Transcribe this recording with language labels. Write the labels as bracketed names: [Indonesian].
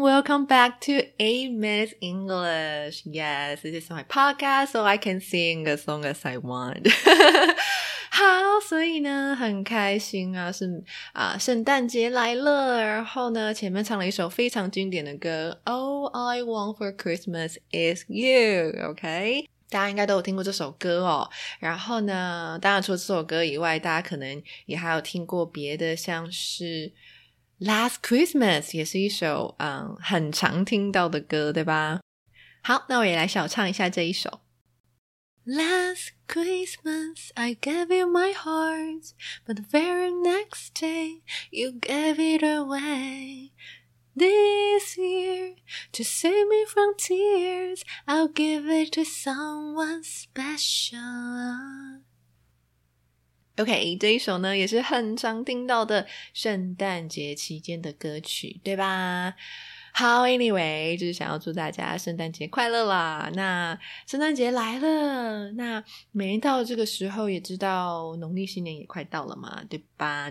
[English] Welcome back to 8 Minutes English. Yes, this is my podcast, so I can sing as long as I want. [Chinese] 好，所以呢，很开心啊，是啊，圣诞节来了。然后呢，前面唱了一首非常经典的歌 ，All I Want for Christmas Is You. [English] OK. [Chinese] 大家应该都有听过这首歌哦，然后呢，当然除了这首歌以外，大家可能也还有听过别的，像是Last Christmas 也是一首很常听到的歌，对吧？好，那我也来小唱一下这一首。 [English] Last Christmas I gave you my heart, but the very next day you gave it away. This year, to save me from tears, I'll give it to someone special. [Chinese] OK, 这一首呢也是很常听到的圣诞节期间的歌曲，对吧？好 ,anyway, 就是想要祝大家圣诞节快乐啦。那圣诞节来了，那每一到这个时候也知道农历新年也快到了嘛，对吧？